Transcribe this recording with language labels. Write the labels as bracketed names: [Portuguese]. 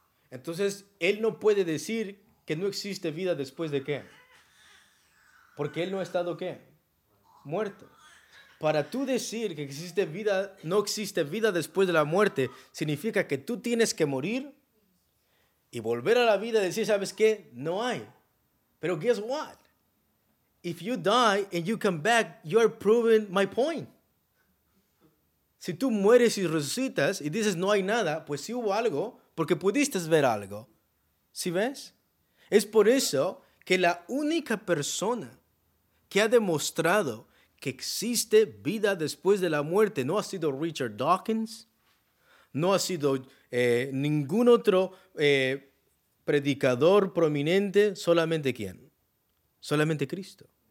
[Spanish] Entonces, él no puede decir que no existe vida después de qué. Porque él no ha estado, ¿qué? Muerto. Para tú decir que existe vida, no existe vida después de la muerte, significa que tú tienes que morir y volver a la vida y decir, ¿sabes qué? No hay. Pero [English] guess what? If you die and you come back, you are proving my point. [Spanish] Si tú mueres y resucitas y dices no hay nada, pues sí hubo algo, porque pudiste ver algo. ¿Sí ves? Es por eso que la única persona que ha demostrado que existe vida después de la muerte no ha sido Richard Dawkins, no ha sido ningún otro predicador prominente, solamente ¿quién? Solamente Cristo.